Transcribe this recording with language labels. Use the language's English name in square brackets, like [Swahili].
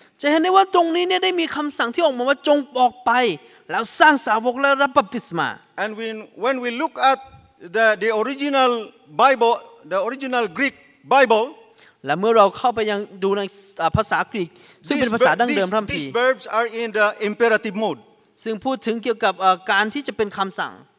[Thai] จะเห็นได้ว่าตรงนี้เนี่ยได้มีคําสั่งที่ออกมาว่าจงออกไปแล้วสร้างสาวกและรับบัพติศมา [English] and when we look at the original bible the original greek bible [Thai] และเมื่อเราเข้าไปยังดูในภาษากรีกซึ่งเป็นภาษาดั้งเดิมพระคัมภีร์ [English] these verbs are in the imperative mode [Thai] ซึ่งพูดถึงเกี่ยวกับการที่จะเป็นคำสั่ง